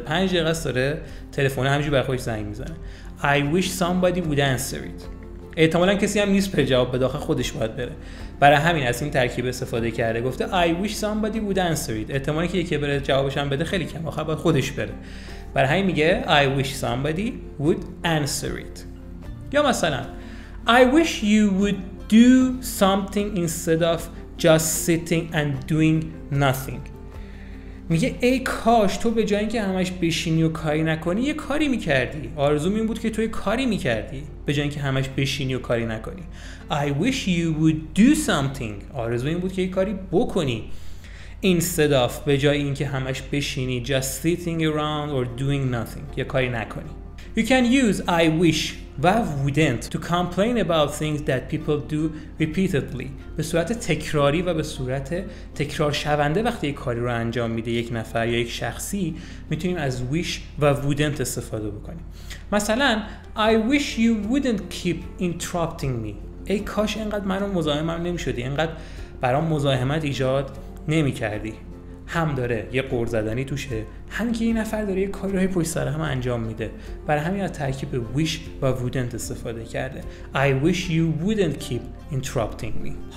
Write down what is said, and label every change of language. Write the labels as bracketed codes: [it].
[fa] 5 دقیقه است داره تلفونه همینجوری برای خودش زنگ میزنه. [en] I wish somebody would answer it. [fa] احتمالاً کسی هم نیست پر جواب بده، آخه خودش باید بره. برای همین از این ترکیب استفاده کرده، گفته [en] I wish somebody would answer it. [fa] احتمالاً که یکی بره جوابش هم بده خیلی کم، آخه باید خودش بره. برای همین میگه [en] I wish somebody would answer it. [fa] یا مثلا [en] I wish you would do something instead of just sitting and doing nothing. [fa] میگه ای کاش تو به جای اینکه همش بشینی و کاری نکنی یه کاری میکردی. آرزوم این بود که تو یه کاری میکردی به جای اینکه همش بشینی و کاری نکنی. [en] I wish you would do something. [fa] آرزوم این بود که یه کاری بکنی. [en] Instead of، [fa] به جای اینکه همش بشینی [en] just sitting around or doing nothing، [fa] یه کاری نکنی. [en] You can use I wish و wouldn't to complain about things that people do repeatedly. [fa] به صورت تکراری و به صورت تکرار شونده وقتی یک کاری رو انجام میده یک نفر یا یک شخصی میتونیم از wish و wouldn't استفاده بکنیم. [en] مثلا I wish you wouldn't keep interrupting me. [fa] ای کاش اینقدر من رو مزاحمم نمیشدی، اینقدر برام مزاحمت ایجاد نمیکردی. هم داره یه قور زدنی توشه، هم که این نفر داره یه کار رو هی پشت سر هم انجام میده. برای همین از ترکیب wish و wouldn't استفاده کرده. [en] I wish you wouldn't keep interrupting me.